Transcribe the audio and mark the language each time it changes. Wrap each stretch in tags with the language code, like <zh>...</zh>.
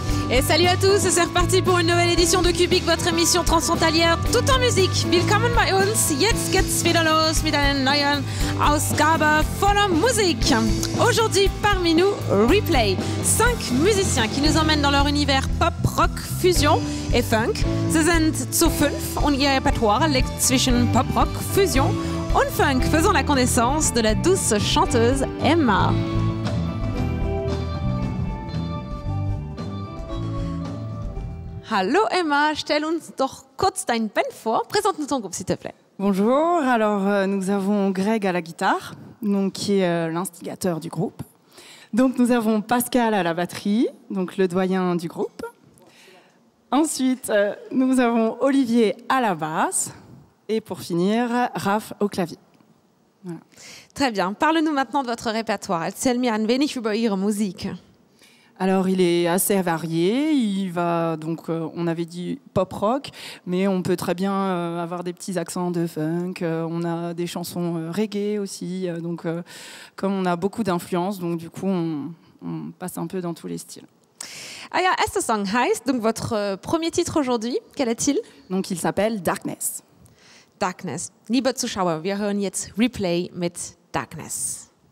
<fr>Et salut à tous, c'est reparti pour une nouvelle édition de Cubic, votre émission transfrontalière tout en musique.</fr> <de>Willkommen bei uns, jetzt geht's wieder los mit einer neuen Ausgabe voller Musik.</de> <fr>Aujourd'hui, parmi nous, Replay, 5 musiciens qui nous emmènent dans leur univers pop, rock, fusion et funk.</fr> <de>Sie sind zu 5 und ihr Repertoire liegt zwischen pop, rock, fusion und funk,</de> <fr>faisant la connaissance de la douce chanteuse</fr> <de>Emma. Hallo Emma, stell uns doch kurz dein Band vor.</de> <fr>Présente-nous ton groupe, s'il te plaît. Bonjour, alors nous avons Greg à la guitare, donc, qui est l'instigateur du groupe. Donc nous avons Pascal à la batterie, donc le doyen du groupe. Ensuite, nous avons Olivier à la basse. Et pour finir, Raph au clavier. Voilà. Très bien, parle-nous maintenant de votre répertoire.</fr> <de>Erzähl mir ein wenig über Ihre Musik.</de> <fr>Alors, il est assez varié. Il va donc, on avait dit pop rock, mais on peut très bien avoir des petits accents de funk. On a des chansons reggae aussi. Donc, comme on a beaucoup d'influences, donc du coup, on passe un peu dans tous les styles. Ah, yeah,</fr> <de>Esther Song heißt,</de> <fr>donc votre premier titre aujourd'hui, quel est-il? Donc, il s'appelle Darkness. Darkness.</fr> <de>Liebe Zuschauer, wir hören jetzt Replay mit Darkness.</de>